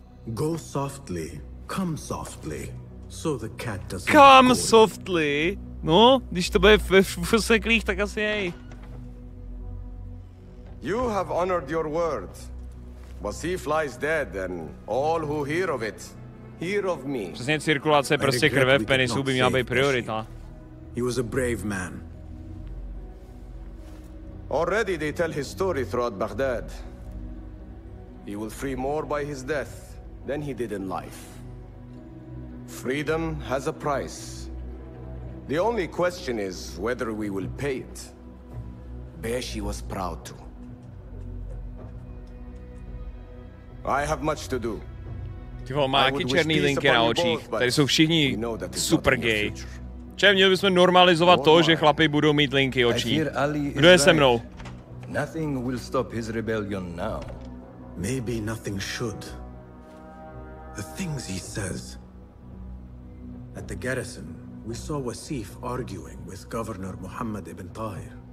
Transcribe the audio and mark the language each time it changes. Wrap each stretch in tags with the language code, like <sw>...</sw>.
<en>Go softly, come softly, so the cat doesn't. Come softly.</en> <cs>No, když to bude v seklích, tak asi jej.</cs> <en>You have honored your word. Wasif lies dead and all who hear of it, hear of me.</en> <cs>Přesně, cirkulace prostě krve v penisu by měla být priorita.</cs> <en>He was a brave man. Already they tell his story throughout Baghdad. He will free more by his death than he did in life. Freedom has a price. The only question is whether we will pay it. Beshi was proud to. I have much to do.</en> <cs>Ty vole, má jaký černý linky na očích, tady jsou všichni super gay. Čem, měli bychom normalizovat to, že chlapi budou mít linky očí. Kdo je se mnou?</cs> <en>Nothing will stop his rebellion now. Maybe nothing should. The things he says. At the garrison, we saw Wasif arguing with Governor Muhammad ibn Tahir.</en>